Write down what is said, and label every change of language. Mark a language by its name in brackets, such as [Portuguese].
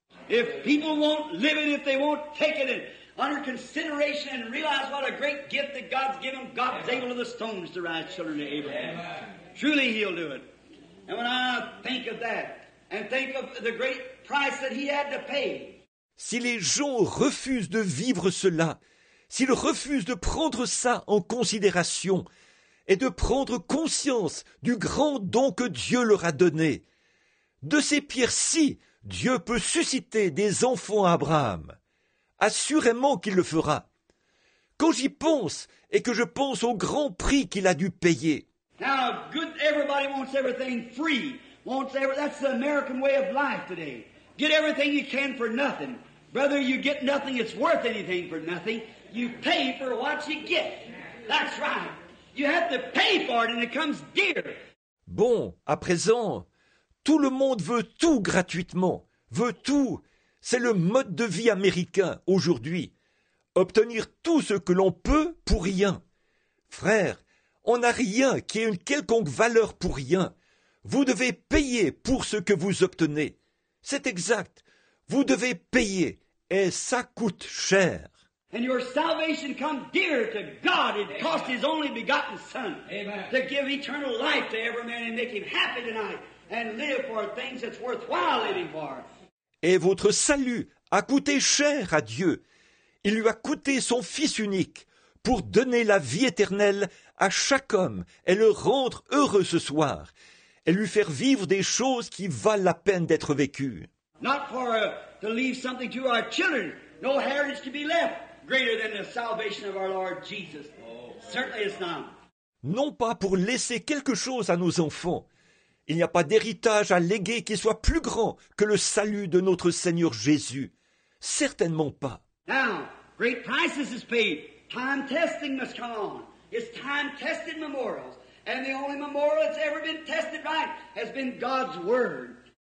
[English] If people won't live it, if they won't take it under consideration and realize what a great gift that God's given, God's able of the stones to rise children to Abraham. Amen. Truly he'll do it. And when I think of that, and think of the great price that he had to pay. [French] Si les gens refusent de vivre cela, s'ils refusent de prendre ça en considération et de prendre conscience du grand don que Dieu leur a donné, de ces pierres-ci, Dieu peut susciter des enfants à Abraham. Assurément qu'il le fera. Quand j'y pense et que je pense au grand prix qu'il a dû payer. [English] Now, good, everybody wants everything free. Wants every, that's the American way of life today. Get everything you can for nothing. Brother, you get nothing, it's worth anything for nothing. You pay for what you get. That's right. You have to pay for it and it comes dear. [French] Bon, à présent, tout le monde veut tout gratuitement, veut tout. C'est le mode de vie américain aujourd'hui. Obtenir tout ce que l'on peut pour rien. Frère, on n'a rien qui ait une quelconque valeur pour rien. Vous devez payer pour ce que vous obtenez. C'est exact. Vous devez payer et ça coûte cher. [English] And your salvation come dear to God. It Amen. Cost his only begotten son. Amen. To give eternal life to every man and make him happy tonight and live for things that's worthwhile living for. [French] Et votre salut a coûté cher à Dieu. Il lui a coûté son fils unique pour donner la vie éternelle à chaque homme et le rendre heureux ce soir et lui faire vivre des choses qui valent la peine d'être vécues. [English] Not for to leave something to our children. No heritage to be left. Greater than the salvation of our Lord Jesus. Certainly it's not. [French] Non pas pour laisser quelque chose à nos enfants. Il n'y a pas d'héritage à léguer qui soit plus grand que le salut de notre Seigneur Jésus. Certainement pas. [English] Now, great prices is paid. Time testing must come on. It's time tested memorials. And the only memorial that's ever been tested right has been God's word.